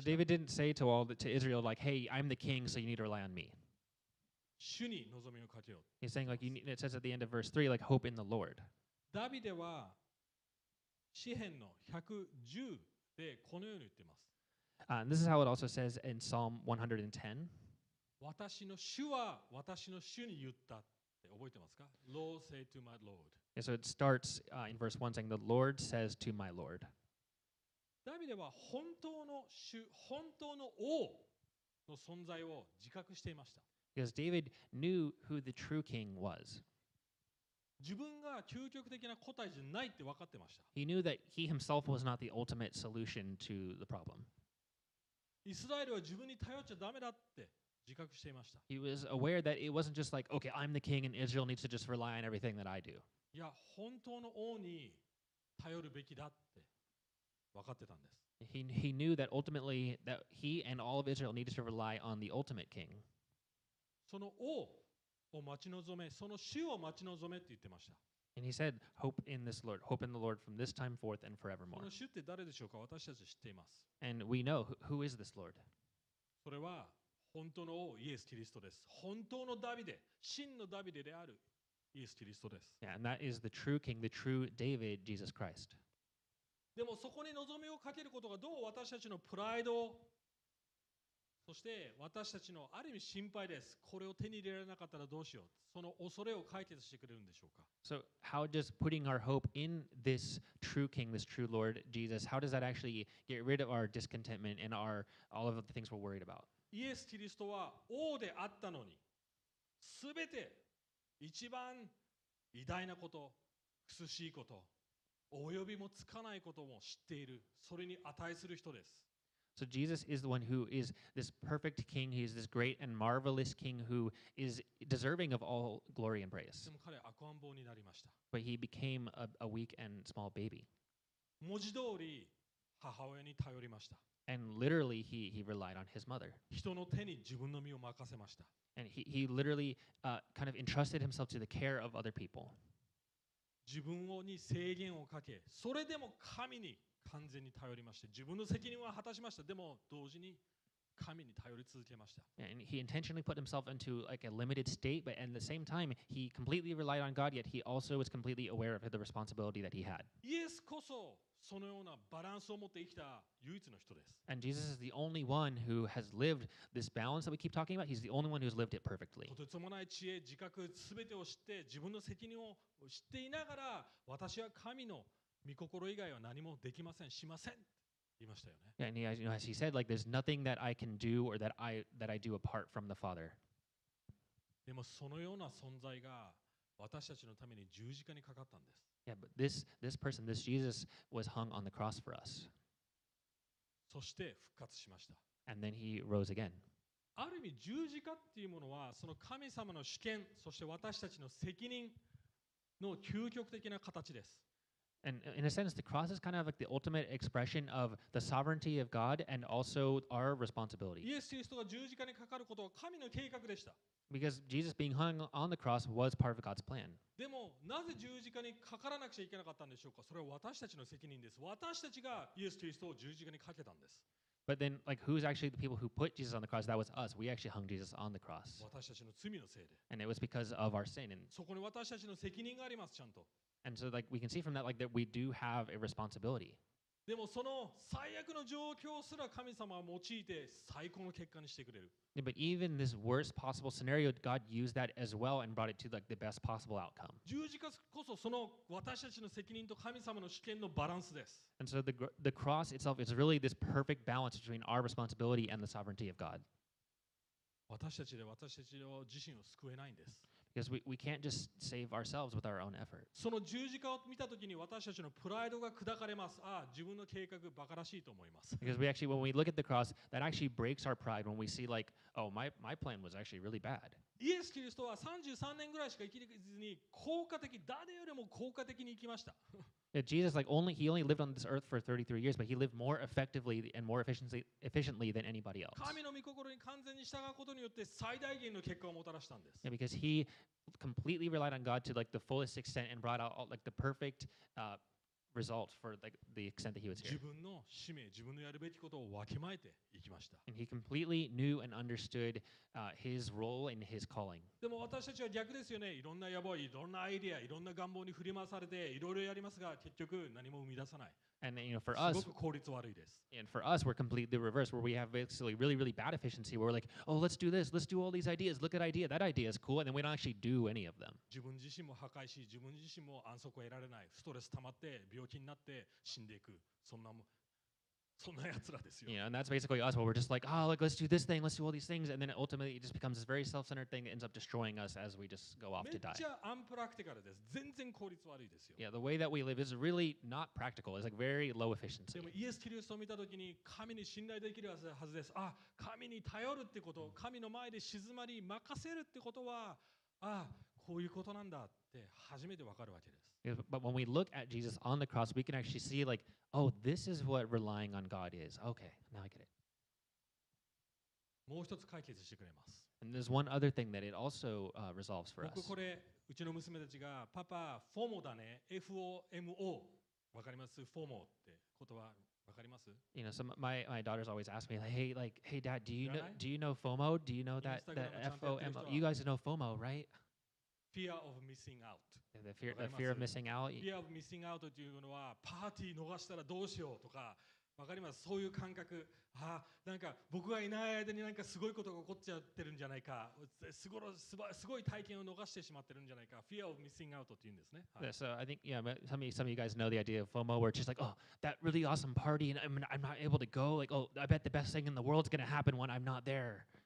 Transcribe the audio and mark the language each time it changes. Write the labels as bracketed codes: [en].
[en] So David didn't say to all to Israel, like, hey, I'm the king, so you need to rely on me. [ja] 主に望みをかけろ。 [en] He's saying, like, it says at the end of verse 3, like, hope in the Lord. [ja] David は詩篇の110でこのように言っています。 [en] And this is how it also says in Psalm 110. [ja] 私の主は私の主に言ったって覚えてますか? [en] Lord say to my Lord. And so it starts in verse 1 saying, the Lord says to my Lord. [ja] ダビデは本当の主、本当の王の存在を自覚していました。 [en] Because David knew who the true king was. [ja] 自分が究極的な答えじゃないって分かってました。 [en] He knew that he himself was not the ultimate solution to the problem. [ja] イスラエルは自分に頼っちゃダメだって自覚していました。 [en] He was aware that it wasn't just like, okay, I'm the king and Israel needs to just rely on everything that I do. [ja] いや、本当の王に頼るべきだって分かってたんです。 [en] He knew that ultimately that he and all of Israel needed to rely on the ultimate king. [ja] その王を待ち望め、その主を待ち望めって言ってました。 [en] And he said, hope in this Lord, hope in the Lord from this time forth and forevermore. [ja] その主って誰でしょうか? 私たち知っています。 [en] And we know who is this Lord. [ja] それは本当の王イエス・キリストです。本当のダビデ、真のダビデであるイエス・キリストです。 [en] Yeah, and that is the true king, the true David, Jesus Christ. [ja] でもそこに望みをかけることがどう私たちのプライドを、そして私たちのある意味心配です。これを手に入れられなかったらどうしよう。その恐れを解決してくれるんでしょうか。 [en] So how does putting our hope in this true king, this true Lord, Jesus, how does that actually get rid of our discontentment and our, all of the things we're worried about? [ja] イエス・キリストは王であったのに、すべて一番偉大なこと、くすしいこと、及びもつかないことも知っている、それに値する人です。 [en] So Jesus is the one who is this perfect king, he is this great and marvelous king who is deserving of all glory and praise. [ja] でも彼は赤ん坊になりました。 [en] But he became a weak and small baby. [ja] 文字通り母親に頼りました。 [en] And literally, he relied on his mother. [ja] 人の手に自分の身を任せました。 [en] And he literally kind of entrusted himself to the care of other people. [ja] 自分に制限をかけ、それでも神に完全に頼りました。自分の責任は果たしました。でも同時に神に頼り続けました。 [en] And he intentionally put himself into like a limited state, but at the same time, he completely relied on God, yet he also was completely aware of the responsibility that he had. [ja] イエスこそ。そのようなバランスを持って生きた唯一の人です。 [en] And Jesus is the only one who has lived this balance that we keep talking about. He's the only one who's lived it perfectly. [ja] とてつもない知恵、自覚、すべてを知って、自分の責任を知っていながら、私は神の御心以外は何もできません、しません。言いましたよね。 [en] Yeah, and as he said, like, there's nothing that I can do or that I do apart from the Father. [ja] でもそのような存在が私たちのために十字架にかかったんです。 [en] Yeah, but this person, this Jesus, was hung on the cross for us. [ja] そして復活しました。 [en] And then he rose again. [ja] ある意味十字架っていうものはその神様の主権、そして私たちの責任の究極的な形です。 [en] And in a sense, the cross is kind of like the ultimate expression of the sovereignty of God and also our responsibility. [ja] イエス・キリストが十字架にかかることは神の計画でした。 [en] Because Jesus being hung on the cross was part of God's plan. [ja] でもなぜ十字架にかからなくちゃいけなかったんでしょうか。それは私たちの責任です。私たちがイエス・キリストを十字架にかけたんです。 [en] But then, like, who's actually the people who put Jesus on the cross? That was us. We actually hung Jesus on the cross. [ja] 私たちの罪のせいで。 [en] And it was because of our sin. And [ja] そこに私たちの責任があります、ちゃんと。 [en] And so, like, we can see from that, like, that we do have a responsibility. [ja] でもその最悪の状況すら神様は用いて最高の結果にしてくれる。 [en] Yeah, but even this worst possible scenario, God used that as well and brought it to like the best possible outcome. [ja] 十字架こそその私たちの責任と神様の主権のバランスです。 [en] And so the cross itself is really this perfect balance between our responsibility and the sovereignty of God. [ja] 私たちで私たち自身を救えないんです。 [en] Because we can't just save ourselves with our own effort. [ja] その十字架を見たときに私たちのプライドが砕かれます。ああ、自分の計画バカらしいと思います。 [en] Because we actually, when we look at the cross, that actually breaks our pride when we see like, oh, my plan was actually really bad. [ja] イエス・キリストは33年ぐらいしか生きずに効果的、誰よりも効果的に生きました。 [en] Yeah, Jesus, like he only lived on this earth for 33 years, but he lived more effectively and more efficiently than anybody else. [ja] 神の御心に完全に従うことによって最大限の結果をもたらしたんです。 [en] Yeah, because he completely relied on God to like the fullest extent and brought out like the perfect result for the extent that he was here. [ja] 自分の使命、自分のやるべきことをわきまえていきました。 [en] And he completely knew and understood his role and his calling. [ja] でも私たちは逆ですよね。いろんな野望、いろんなアイデア、いろんな願望に振り回されて、いろいろやりますが、結局何も生み出さない。 [en] And you know, for us, and for us, we're completely reversed, where we have basically really, really bad efficiency. Where we're like, oh, let's do this, let's do all these ideas. Look at idea, that idea is cool, and then we don't actually do any of them. [ja] 自分自身も破壊し、自分自身も安息を得られない、ストレス溜まって病気になって死んでいく、そんなやつらですよ。 [en] You know, and that's basically us, where we're just like, oh, like let's do this thing, let's do all these things, and then ultimately it just becomes this very self-centered thing that ends up destroying us as we just go off to die. [ja] めっちゃアンプラクティカルです。全然効率悪いですよ。 [en] Yeah, the way that we live is really not practical. It's like very low efficiency. [ja] でもイエス・キリストを見たときに神に信頼できるはずです。あ、神に頼るってこと、神の前で静まり任せるってことは、あ、こういうことなんだって初めてわかるわけです。 [en] But when we look at Jesus on the cross, we can actually see like, oh, this is what relying on God is. Okay, now I get it. [ja] もう一つ解決してくれます。 [en] And there's one other thing that it also resolves for us. [ja] 僕これうちの娘たちがパパフォモだね、FOMO わかります？フォモって言葉わかります？ [en] You know, some my daughters always ask me like, hey, like, hey, Dad, do you know FOMO? Do you know that FOMO? You guys know FOMO, right? Fear of missing out. The fear of missing out. Fear of missing out [ja] というのはパーティー逃したらどうしようとか、わかります？そういう感覚。あ、なんか僕がいない間になんかすごいことが起こっちゃってるんじゃないか。すごい体験を逃してしまってるんじゃないか。 [en] Fear of missing out [ja] というんですね。 [en] Yeah, so I think some of you guys know the idea of FOMO, where it's just like, oh, that really awesome party, and I'm not able to go. Like, oh, I bet the best thing in the world's gonna happen when I'm not there.